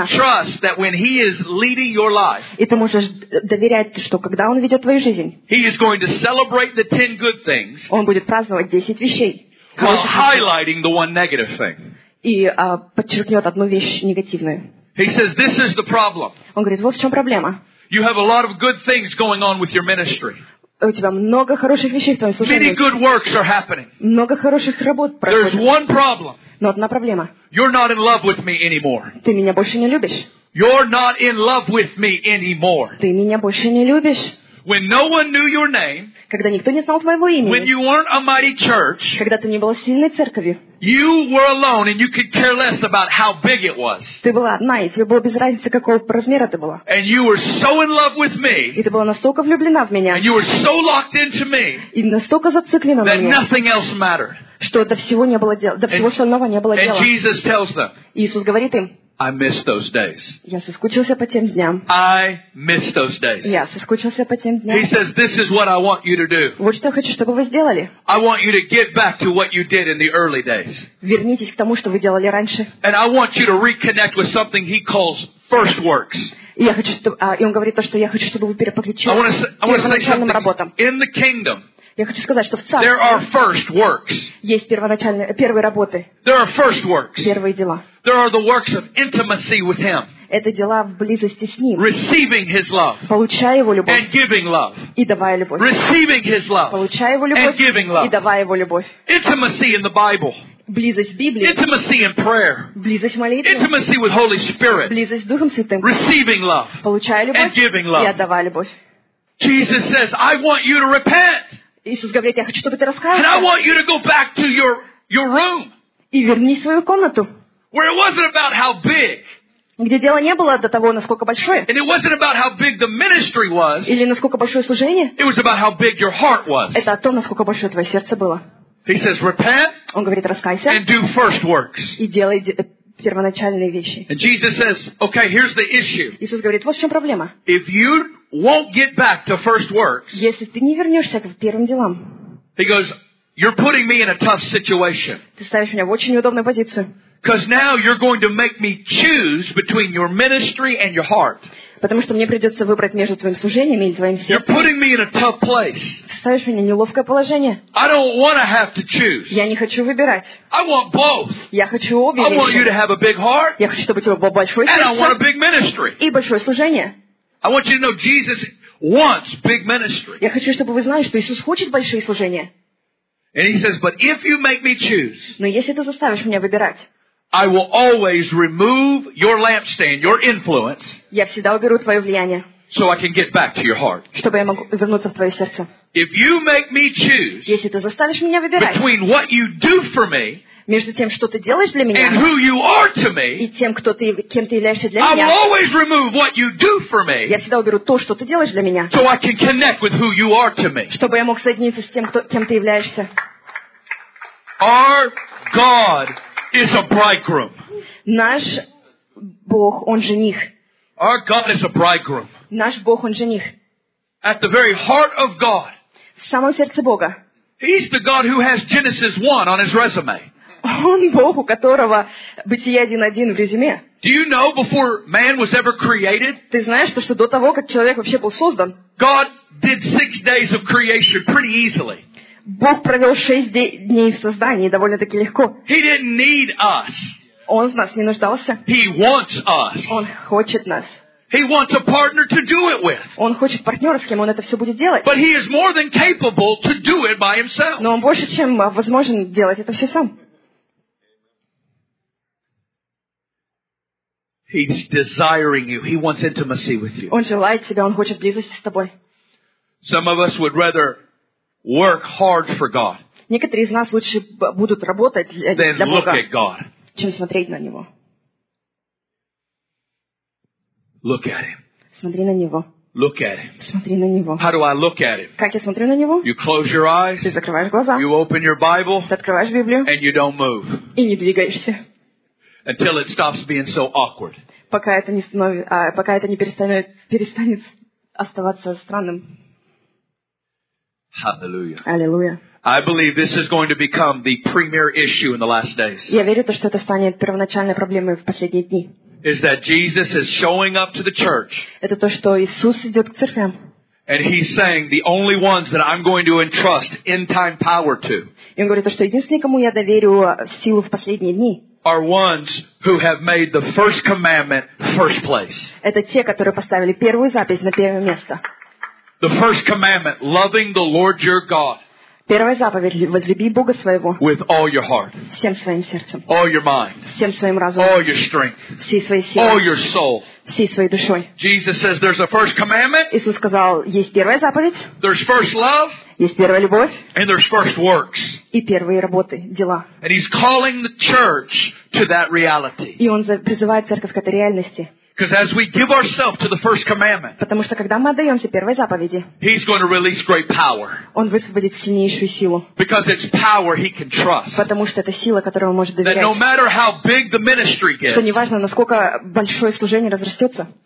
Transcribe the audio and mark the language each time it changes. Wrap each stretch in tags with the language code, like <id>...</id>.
<en>And you can trust that when he is leading your life.</en> <ru>И ты можешь доверять, что когда он ведет твою жизнь.</ru> <en>He is going to celebrate the 10 good things.</en> <ru>Он будет праздновать 10 вещей.</ru> <en>While highlighting the one negative thing.</en> <ru>И подчеркнет одну вещь негативную.</ru> <en>He says, "This is the problem."</en> <ru>Он говорит, вот в чем проблема.</ru> <en>You have a lot of good things going on with your ministry.</en> <ru>У тебя много хороших вещей в твоем служении.</ru> <en>Many good works are happening.</en> <ru>Много хороших работ происходит.</ru> <en>There's one problem.</en> <ru>Но одна проблема.</ru> <en>You're not in love with me anymore.</en> <ru>Ты меня больше не любишь.</ru> <en>You're not in love with me anymore.</en> <ru>Ты меня больше не любишь.</ru> <en>When no one knew your name,</en> <ru>когда никто не знал твоего имени,</ru> <en>when you weren't a mighty church,</en> <ru>когда ты не была сильной церковью,</ru> <en>you were alone and you could care less about how big it was.</en> <ru>Ты была одна, и тебе было без разницы, какого размера ты была.</ru> <en>And you were so in love with me.</en> <ru>И ты была настолько влюблена в меня.</ru> <en>And you were so locked into me.</en> <ru>И настолько зациклена в мне.</ru> <en>That nothing else mattered.</en> <ru>Что до всего не было дела, до всего остального не было дела.</ru> <en>And Jesus tells them.</en> <ru>Иисус говорит им.</ru> <en>I miss those days.</en> <ru>Я соскучился по тем дням.</ru> <en>I miss those days.</en> <ru>Я соскучился по тем дням.</ru> <en>He says, "This is what I want you to do."</en> <ru>Вот что я хочу, чтобы вы сделали.</ru> <en>I want you to get back to what you did in the early days.</en> <ru>Вернитесь к тому, что вы делали раньше.</ru> <en>And I want you to reconnect with something he calls first works.</en> <ru>Я хочу, чтобы, и он говорит то, что я хочу, чтобы вы переподключились к первоначальным работам.</ru> <en>In the kingdom.</en> <ru>Я хочу сказать, что в царстве.</ru> <en>There are first works.</en> <ru>Есть первоначальные, первые работы.</ru> <en>There are first works.</en> <ru>Первые дела.</ru> <en>There are the works of intimacy with Him.</en> <ru>Это дела в близости с Ним.</ru> <en>Receiving His love.</en> <ru>Получая Его любовь.</ru> <en>And giving love.</en> <ru>И давая любовь.</ru> <en>Receiving His love.</en> <ru>Получая Его любовь.</ru> <en>And giving love.</en> <ru>И давая Его любовь.</ru> <en>Intimacy in the Bible.</en> <ru>Близость в Библии.</ru> <en>Intimacy in prayer.</en> <ru>Близость в молитве.</ru> <en>Intimacy with Holy Spirit.</en> <ru>Близость с Духом Святым.</ru> <en>Receiving love.</en> <ru>Получая любовь.</ru> <en>And giving love.</en> <ru>И отдавая любовь.</ru> <en>Jesus says, "I want you to repent."</en> <ru>Иисус говорит, я хочу, чтобы ты раскаялся.</ru> <en>And I want you to go back to your room.</en> <ru>И вернись в свою комнату.</ru> <en>Where it wasn't about how big.</en> <ru>Где дело не было до того, насколько большое.</ru> <en>And it wasn't about how big the ministry was.</en> <ru>Или насколько большое служение.</ru> <en>It was about how big your heart was.</en> <ru>Это о том, насколько большое твое сердце было.</ru> <en>He says, repent.</en> <ru>Он говорит, раскайся.</ru> <en>And do first works.</en> <ru>И делай первоначальные вещи.</ru> <en>And Jesus says, okay, here's the issue.</en> <ru>Иисус говорит, вот в чем проблема.</ru> <en>If you won't get back to first works.</en> <ru>Если ты не вернешься к первым делам.</ru> <en>He goes, you're putting me in a tough situation.</en> <ru>Ты ставишь меня в очень неудобную позицию.</ru> <en>Because now you're going to make me choose between your ministry and your heart.</en> <ru>Потому что мне придется выбрать между твоим служением и твоим сердцем.</ru> <en>You're putting me in a tough place.</en> <ru>Ставишь меня в неловкое положение.</ru> <en>I don't want to have to choose.</en> <ru>Я не хочу выбирать.</ru> <en>I want both.</en> <ru>Я хочу обе вещи.</ru> <en>I want you to have a big heart.</en> <ru>Я хочу, чтобы у тебя было большое сердце.</ru> <en>And I want a big ministry.</en> <ru>И большое служение.</ru> <en>I want you to know Jesus wants big ministry.</en> <ru>Я хочу, чтобы вы знали, что Иисус хочет большие служения.</ru> <en>And he says, but if you make me choose.</en> <ru>Но если ты заставишь меня выбирать.</ru> <en>I will always remove your lampstand, your influence.</en> <ru>Я всегда уберу твое влияние.</ru> <en>So I can get back to your heart.</en> <ru>Чтобы я мог вернуться в твое сердце.</ru> <en>If you make me choose.</en> <ru>Если ты заставишь меня выбирать.</ru> <en>Between what you do for me.</en> <ru>Между тем, что ты делаешь для меня.</ru> <en>And who you are to me.</en> <ru>И тем, кто ты, кем ты являешься для</ru> <en>I</en> <ru>меня.</ru> <en>I will always remove what you do for me.</en> <ru>Я всегда уберу то, что ты делаешь для меня.</ru> <en>So I can connect with who you are to me.</en> <ru>Чтобы я мог соединиться с тем, кто, кем ты являешься.</ru> <en>Our God. Is a bridegroom.</en> <ru>Наш Бог, он жених.</ru> <en>Our God is a bridegroom.</en> <ru>Наш Бог, он жених.</ru> <en>At the very heart of God.</en> <ru>В самом сердце Бога.</ru> <en>He's the God who has Genesis 1 on his resume.</en> <ru>Он Бог, у которого Бытие 1:1 в резюме.</ru> <en>Do you know before man was ever created?</en> <ru>Ты знаешь, что до того, как человек вообще был создан?</ru> <en>God did 6 days of creation pretty easily.</en> <ru>Бог провел 6 дней в создании довольно-таки легко.</ru> <en>He didn't need us.</en> <ru>Он в нас не нуждался.</ru> <en>He wants us.</en> <ru>Он хочет нас.</ru> <en>He wants a partner to do it with.</en> <ru>Он хочет партнера, с кем он это все будет делать.</ru> <en>But he is more than capable to do it by himself.</en> <ru>Но он больше, чем возможен делать это все сам.</ru> <en>He's desiring you. He wants intimacy with you.</en> <ru>Он желает тебя, он хочет близости с тобой.</ru> <en>Some of us would rather work hard for God.</en> <ru>Некоторые из нас лучше будут работать для Бога, чем смотреть на него.</ru> <en>Look at him.</en> <ru>Смотри на него.</ru> <en>Look at him.</en> <ru>Смотри на него.</ru> <en>How do I look at him?</en> <ru>Как я смотрю на него?</ru> <en>You close your eyes.</en> <ru>Ты закрываешь глаза.</ru> <en>You open your Bible.</en> <ru>Ты открываешь Библию.</ru> <en>And you don't move.</en> <ru>И не двигаешься.</ru> <en>Until it stops being so awkward.</en> <ru>пока это не становится, пока это не перестанет, перестанет оставаться странным. Аллилуйя.</ru> <en>I believe this is going to become the premier issue in the last days.</en> <ru>Я верю, что это станет первоначальной проблемой в последние дни.</ru> <en>Is that Jesus is showing up to the church?</en> <ru>Это то, что Иисус идет к церквям.</ru> <en>And he's saying the only ones that I'm going to entrust end time power to.</en> <ru>И он говорит, что единственные, кому я доверю силу в последние дни.</ru> <en>Are ones who have made the first commandment first place.</en> <ru>Это те, которые поставили первую заповедь на первое место.</ru> <en>The first commandment, loving the Lord your God.</en> <ru>Первая заповедь – возлюби Бога своего</ru> <en>with all your heart,</en> <ru>всем своим сердцем,</ru> <en>all your mind,</en> <ru>всем своим разумом,</ru> <en>all your strength,</en> <ru>всей своей силой,</ru> <en>all your soul,</en> <ru>всей своей душой.</ru> <en>Jesus says, there's a first commandment,</en> <ru>Иисус сказал, есть первая заповедь,</ru> <en>there's first love,</en> <ru>есть первая любовь,</ru> <en>and there's first works,</en> <ru>и первые работы, дела.</ru> <en>And he's calling the church to that reality.</en> <ru>И Он призывает церковь к этой реальности.</ru> <en>Because as we give ourselves to the first commandment,</en> <ru>потому что когда мы отдаемся первой заповеди,</ru> <en>he's going to release great power.</en> <ru>Он высвободит сильнейшую силу.</ru> <en>Because it's power he can trust.</en> <ru>Потому что это сила, которой он может доверять.</ru> <en>That no matter how big the ministry gets,</en> <ru>что неважно, насколько большое служение разрастется,</ru>